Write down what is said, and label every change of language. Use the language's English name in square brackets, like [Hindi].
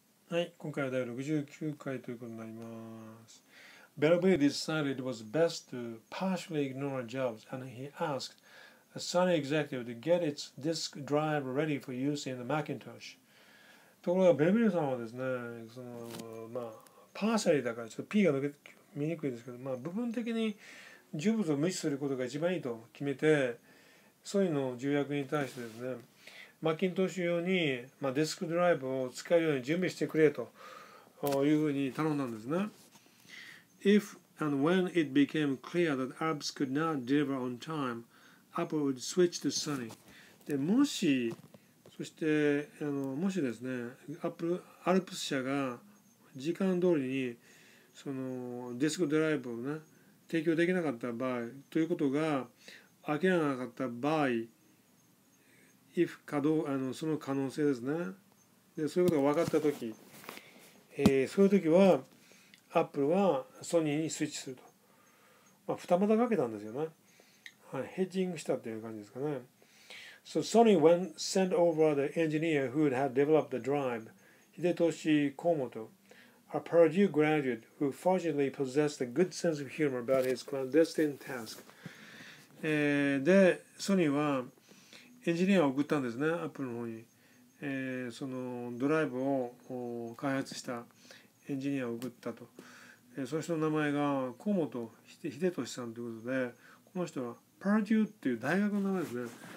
[Japanese] はい、今回は第69回ということになります。 [English] Bellamy decided it was best to partially ignore Jobs, and he asked a Sony executive to get its disk drive ready for use in the Macintosh. [Japanese] ところが、ベルベルさんはですね、その、まあ、パーシャリーだから、ちょっと P が抜け見にくいですけど、まあ、部分的にジョブズを無視することが一番いいと決めて、ソニーの重役に対してですね、マッキントッシュ用に、まあ、デスクドライブを使えるように準備してくれというふうに頼んだんですね。 [English] If and when it became clear that Apps could not deliver on time, Apple would switch to Sony. [Japanese] で、もし、そして、もしですね、アルプス社が時間通りにそのデスクドライブをね、提供できなかった場合、ということが明らかなかった場合、if かどうその可能性ですね。で、そういうことが分かったとき、そういうときは、アップルはソニーにスイッチすると。まあ、二股かけたんですよね。はい、ヘッジングしたっていう感じですかね。 [English] So Sony went sent over the engineer who had developed the drive, Hidetoshi Komoto, a Purdue graduate who fortunately possessed a good sense of humor about his clandestine task. [Japanese] で、ソニーは、エンジニアを送ったんですね、アップルの方に、そのドライブを開発したエンジニアを送ったと、その人の名前が河本秀俊さんということで、この人はパーデューっていう大学の名前ですね。